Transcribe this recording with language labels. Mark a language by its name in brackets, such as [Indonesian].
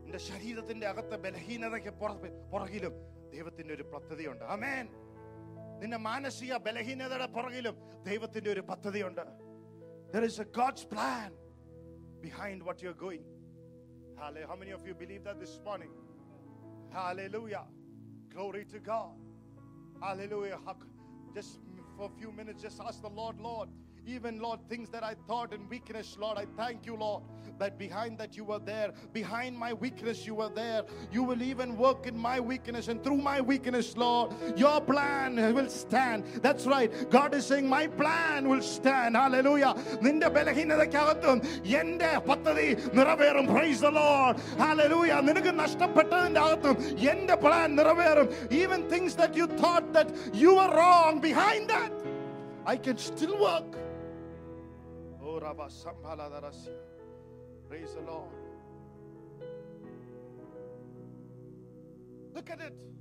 [Malayalam] ശരീരത്തിന്റെ അകത്തെ ബലഹീനതയ്ക്ക് പുറകിലും ദൈവത്തിന്റെ ഒരു പദ്ധതിയുണ്ട്. ആമേൻ. നിന്റെ മാനസിക ബലഹീനതയുടെ പുറകിലും ദൈവത്തിന്റെ ഒരു പദ്ധതിയുണ്ട്. [English] There is a God's plan behind what you're going. Hallelujah. How many of you believe that this morning? Hallelujah. Glory to God. Hallelujah. Just for a few minutes, just ask the Lord, Lord, even Lord, things that I thought in weakness, Lord, I thank you, Lord, that behind that you were there, behind my weakness you were there. You will even work in my weakness and through my weakness, Lord. Your plan will stand. That's right. God is saying, my plan will stand. Hallelujah. [Malayalam] നിന്റെ ബലഹീനതയ്ക്കകത്തും എന്റെ പദ്ധതി നിറവേറും. [English] Praise the Lord. Hallelujah. [Malayalam] നിനക്ക് നഷ്ടപ്പെട്ടതിന്റെ അകത്തും എന്റെ plan നിറവേറും. [English] Even things that you thought that you were wrong, behind that, I can still work. Oh, Rabba, Sambhala Darasi. Praise the Lord. Look at it.